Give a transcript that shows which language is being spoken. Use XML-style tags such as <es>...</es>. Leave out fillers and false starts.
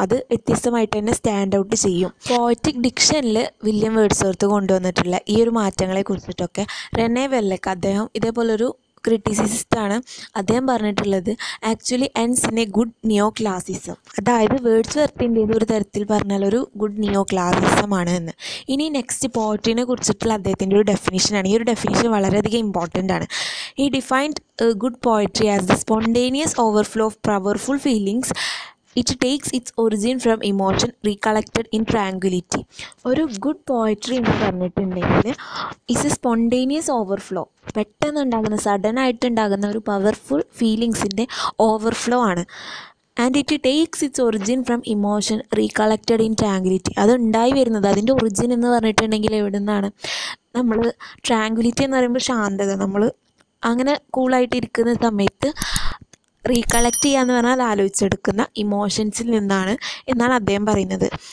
<ml>അത് വ്യത്യസ്തമായിട്ട് തന്നെ സ്റ്റാൻഡ് ഔട്ട് ചെയ്യും. പോയറ്റിക് ഡിക്ഷനിൽ വില്യം വേർഡ്സ്വർത്ത് കൊണ്ടുവന്നിട്ടുള്ള ഈ ഒരു മാറ്റങ്ങളെക്കുറിച്ചിട്ടൊക്കെ റെനേ വെല്ലക്ക്, അദ്ദേഹം ഇതേപോലൊരു ക്രിറ്റിസിസ്റ്റാണ്, അദ്ദേഹം പറഞ്ഞിട്ടുള്ളത്</ml> <en>Actually ends in a good neo classicism.</en> <ml>അതായത് വേർഡ്സ്വർത്തിൻ്റെ ഒരു തരത്തിൽ പറഞ്ഞാൽ ഒരു ഗുഡ് നിയോ ക്ലാസിസമാണ് എന്ന്. ഇനി നെക്സ്റ്റ് പോയട്രിനെ കുറിച്ചിട്ടുള്ള അദ്ദേഹത്തിൻ്റെ ഒരു ഡെഫിനിഷനാണ്. ഈ ഒരു ഡെഫിനിഷൻ വളരെയധികം ഇമ്പോർട്ടൻ്റ് ആണ്.</ml> <en>He defined good poetry as the spontaneous overflow of powerful feelings. It takes its origin from emotion recollected in tranquility.</en> <ml>ഒരു ഗുഡ് പോയട്രി എന്ന് പറഞ്ഞിട്ടുണ്ടെങ്കിൽ</ml> <en>it's a spontaneous overflow,</en> <ml>പെട്ടെന്നുണ്ടാകുന്ന sudden ആയിട്ടുണ്ടാകുന്ന ഒരു പവർഫുൾ ഫീലിങ്സിൻ്റെ ഓവർഫ്ലോ ആണ്.</ml> <en>And it takes its origin from emotion recollected in tranquility.</en> <ml>അതുണ്ടായി വരുന്നത് അതിൻ്റെ origin എന്ന് പറഞ്ഞിട്ടുണ്ടെങ്കിൽ എവിടെ നിന്നാണ്? നമ്മൾ ട്രാങ്കുലിറ്റി എന്ന് പറയുമ്പോൾ ശാന്തത, നമ്മൾ അങ്ങനെ കൂളായിട്ടിരിക്കുന്ന സമയത്ത് റീകളക്റ്റ് ചെയ്യാന്ന് പറഞ്ഞാൽ അത് ആലോചിച്ചെടുക്കുന്ന ഇമോഷൻസിൽ നിന്നാണ് എന്നാണ് അദ്ദേഹം പറയുന്നത്.</ml>